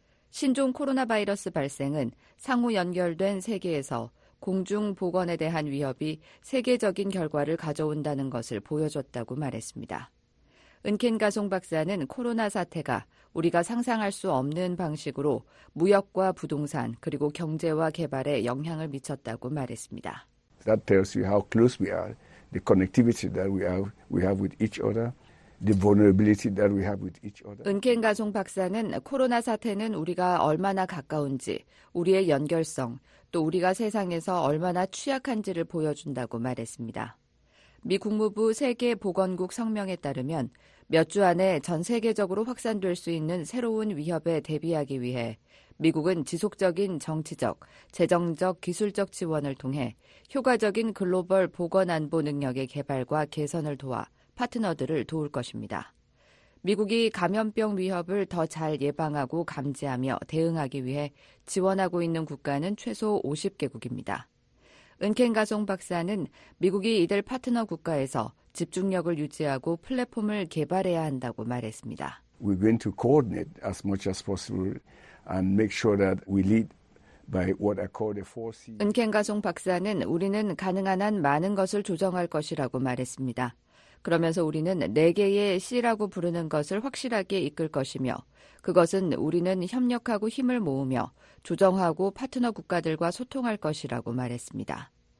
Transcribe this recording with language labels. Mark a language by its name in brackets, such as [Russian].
[Korean] 신종 코로나 바이러스 발생은 상호 연결된 세계에서 공중 보건에 대한 위협이 세계적인 결과를 가져온다는 것을 보여줬다고 말했습니다. 은켄 가송 박사는 코로나 사태가 우리가 상상할 수 없는 방식으로 무역과 부동산 그리고 경제와 개발에 영향을 미쳤다고 말했습니다. [English] That tells you how close we are, the connectivity that we have with each other. The vulnerability that we have with each other. [Korean] 은캔가송 박사는 코로나 사태는 우리가 얼마나 가까운지, 우리의 연결성, 또 우리가 세상에서 얼마나 취약한지를 보여준다고 말했습니다. 미 국무부 세계보건국 성명에 따르면 몇 주 안에 전 세계적으로 확산될 수 있는 새로운 위협에 대비하기 위해 미국은 지속적인 정치적, 재정적, 기술적 지원을 통해 효과적인 글로벌 보건안보 능력의 개발과 개선을 도와 파트너들을 도울 것입니다. 미국이 감염병 위협을 더 잘 예방하고 감지하며 대응하기 위해 지원하고 있는 국가는 최소 50개국입니다. 은캔가송 박사는 미국이 이들 파트너 국가에서 집중력을 유지하고 플랫폼을 개발해야 한다고 말했습니다. [English] We going to coordinate as much as possible and make sure that we lead by what I call the 4C. [Korean] 은캔가송 박사는 우리는 가능한 한 많은 것을 조정할 것이라고 말했습니다. 그러면서 우리는 네 개의 C라고 부르는 것을 확실하게 이끌 것이며 그것은 우리는 협력하고 힘을 모으며 조정하고 파트너 국가들과 소통할 것이라고 말했습니다.